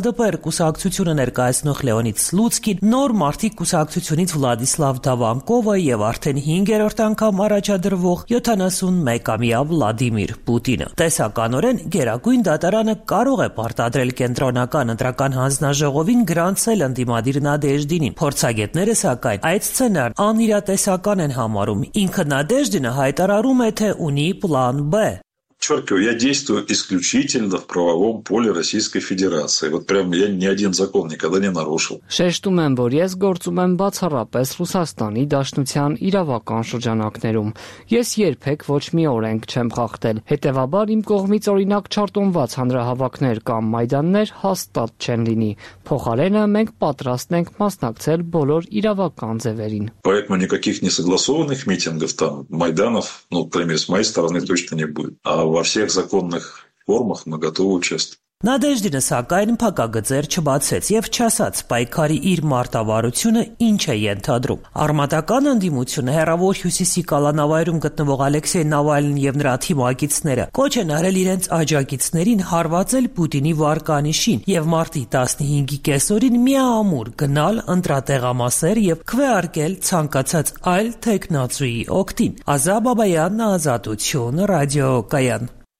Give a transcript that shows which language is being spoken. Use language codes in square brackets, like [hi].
[hy] ԼԴՊ-ի կուսակցությունը ներկայացնող Լեոնիդ Սլուցկին, Նոր Մարտի կուսակցությունից Վլադիսլավ Դավանկովը և արդեն 5-րդ անգամ առաջադրվող 71-ամյա Վլադիմիր Պուտինը։ Տեսականորեն, գերագույն դատարանը կարող է պարտադրել կենտրոնական ընտրական հանձնաժողովին գրանցել ընդդիմադիր Նադեժդինին։ Փորձագետները, սակայն, այդ սցենարն անիրատեսական են համարում։ Ինքը Նադեժդինը հայտարարում է, թե ունի պլան Բ։ [ru] Подчеркиваю, я действую исключительно в правовом поле Российской Федерации. Вот прям я ни один закон никогда не нарушил. [hy] Շեշտում եմ, որ ես գործում եմ բացառապես Ռուսաստանի Դաշնության իրավական շրջանակներում։ Ես երբեք ոչ մի օրենք չեմ խախտել։ Հետևաբար իմ կողմից օրինակ չարտոնված հանրահավաքներ կամ մայդաններ հաստատ չեն լինի։ Փոխարենը մենք պատրաստ ենք մասնակցել բոլոր իրավական ձևերին։ [ru] Поэтому никаких несогласованных митингов там, майданов, ну, например, с моей стороны точно не будет. А во всех законных формах мы готовы участвовать. [hy] Նադեժդինը, սակայն, փակագծեր չբացեց և չասաց պայքարի իր մարտավարությունը ինչ է ենթադրում։ Արմատական ընդդիմությունը հեռավոր հյուսիսի կալանավայրում գտնվող Ալեքսեյ Նավալնին և նրա թիմակիցները կոչ են արել իրենց աջակիցներին հարվածել Պուտինի վարկանիշին և մարտի 15-ի կեսօրին միամուր գնալ ընտրատեղամասեր և քվեարկել ցանկացած այլ թեկնածուի օգտին։ Ազա Բաբայան, Ազատություն, Ռադիո Կայան։